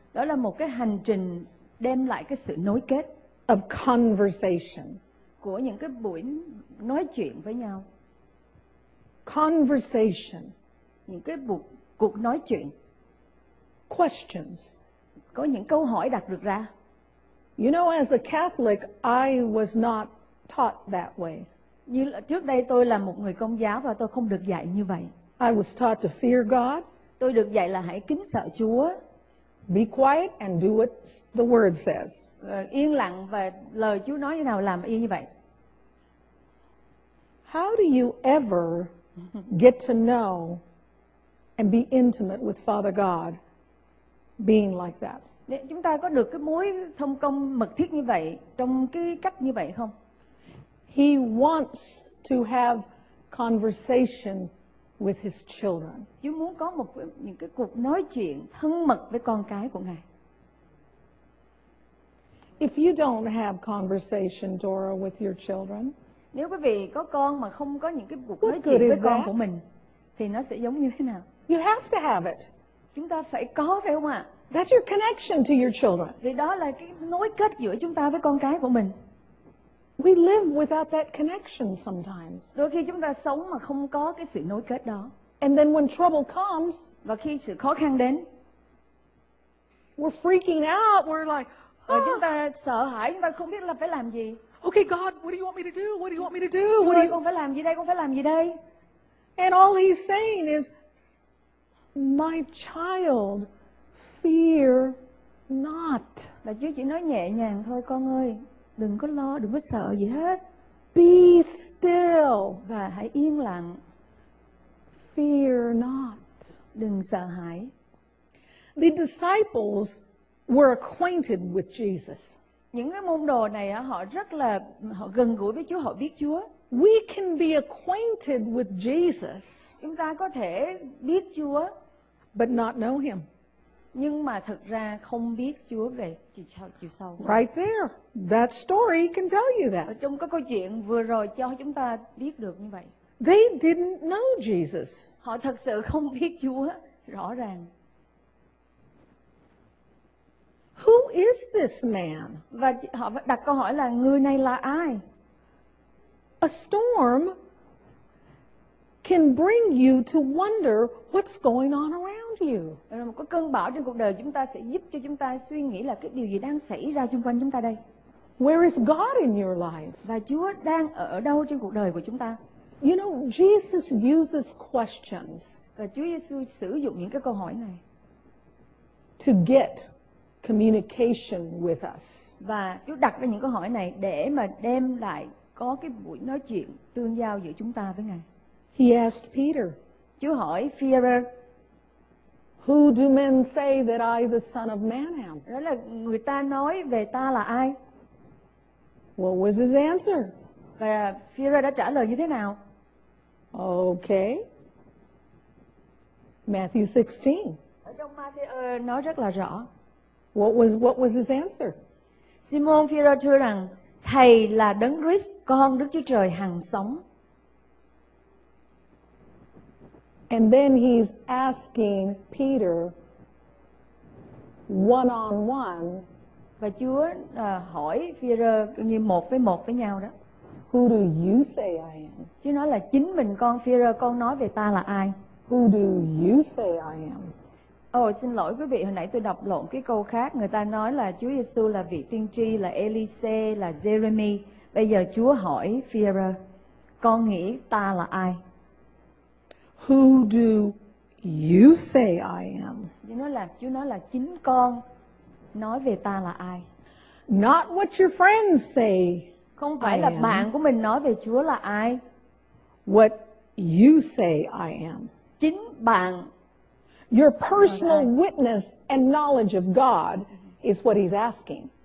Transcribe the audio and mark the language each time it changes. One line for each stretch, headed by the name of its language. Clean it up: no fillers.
Vietnamese: Đó là một cái hành trình đem lại cái sự nối kết.
English: Of conversation.
Vietnamese: Của những cái buổi nói chuyện với nhau.
English: Conversation.
Vietnamese: Những cái cuộc nói chuyện.
English: Questions.
Vietnamese: Có những câu hỏi đặt được ra.
English: You know, as a Catholic, I was not taught that way.
Vietnamese: Như trước đây tôi là một người Công giáo và tôi không được dạy như vậy.
English: I was taught to fear God.
Vietnamese: Tôi được dạy là hãy kính sợ Chúa.
English: Be quiet and do what the word says.
Vietnamese: Yên lặng và lời Chúa nói như nào làm y như vậy.
English: How do you ever get to know and be intimate with Father God being like that?
Vietnamese: Chúng ta có được cái mối thông công mật thiết như vậy trong cái cách như vậy không?
English: He wants to have conversation with his children.
Vietnamese: Chúa muốn có một những cái cuộc nói chuyện thân mật với con cái của Ngài.
English: If you don't have conversation, Dora, with your children,
Vietnamese: nếu quý vị có con mà không có những cái cuộc nói chuyện với con của mình, thì nó sẽ giống như thế nào?
English: You have to have it.
Vietnamese: Chúng ta phải có, phải không ạ?
English: That's your connection to your children.
Vietnamese: Thì đó là cái nối kết giữa chúng ta với con cái của mình.
English: We live without that connection sometimes.
Vietnamese: Đôi khi chúng ta sống mà không có cái sự nối kết đó.
English: And then when trouble comes,
Vietnamese: và khi sự khó khăn đến,
English: we're freaking out. We're like,
Vietnamese: và chúng ta sợ hãi, chúng ta không biết là phải làm gì.
English: Okay, God, what do you want me to do? What do you want me to do? what do you...
Vietnamese: con phải làm gì đây? Con phải làm gì đây?
English: And all he's saying is, my child, fear not.
Vietnamese: Và Chúa chỉ nói nhẹ nhàng thôi, con ơi, đừng có lo, đừng có sợ gì hết.
English: Be still.
Vietnamese: Và hãy yên lặng.
English: Fear not.
Vietnamese: Đừng sợ hãi.
English: The disciples were acquainted with Jesus.
Vietnamese: Những cái môn đồ này họ rất là họ gần gũi với Chúa, họ biết Chúa.
English: We can be acquainted with Jesus.
Vietnamese: Chúng ta có thể biết Chúa
English: but not know him.
Vietnamese: Nhưng mà thực ra không biết Chúa về chiều sâu.
English: Right there, that story can tell you that.
Vietnamese: Ở trong cái câu chuyện vừa rồi cho chúng ta biết được như vậy.
English: They didn't know Jesus.
Vietnamese: Họ thật sự không biết Chúa rõ ràng.
English: Who is this man?
Vietnamese: Và họ đặt câu hỏi là người này là ai?
English: A storm can bring you to wonder what's going on around you.
Vietnamese: Một cái cơn bão trong cuộc đời chúng ta sẽ giúp cho chúng ta suy nghĩ là cái điều gì đang xảy ra xung quanh chúng ta đây.
English: Where is God in your life?
Vietnamese: Và Chúa đang ở đâu trong cuộc đời của chúng ta?
English: You know, Jesus uses questions.
Vietnamese: Và Chúa Giêsu sử dụng những cái câu hỏi này
English: to get communication with us.
Vietnamese: Và Chúa đặt ra những câu hỏi này để mà đem lại có cái buổi nói chuyện tương giao giữa chúng ta với Ngài.
English: He asked Peter.
Vietnamese: Chúa hỏi Peter.
English: Who do men say that I, the Son of Man, am?
Vietnamese: Đó là người ta nói về ta là ai?
English: What was his answer? Và Peter đã trả lời như thế nào? Okay. Matthew 16.
Vietnamese: Ở trong Matthew nói rất là rõ.
English: What was his answer?
Vietnamese: Simon Peter thưa rằng, Thầy là Đấng Christ, Con Đức Chúa Trời hằng sống.
English: And then he's asking Peter one on one.
Vietnamese: Và Chúa hỏi Peter như một với một với nhau đó.
English: Who do you say I am?
Vietnamese: Chúa nói là chính mình con Peter, con nói về ta là ai?
English: Who do you say I am?
Vietnamese: Oh, xin lỗi quý vị, hồi nãy tôi đọc lộn cái câu khác. Người ta nói là Chúa Giêsu là vị tiên tri, là Elise, là Jeremy. Bây giờ Chúa hỏi Peter, con nghĩ ta là ai?
English: Who do you say I am?
Vietnamese: Chúa nói là chính con nói về ta là ai?
English: Not what your friends say.
Vietnamese: Không phải là bạn của mình nói về Chúa là ai.
English: What you say I am.
Vietnamese: Chính bạn.
English: Your personal witness and knowledge of God is what he's asking.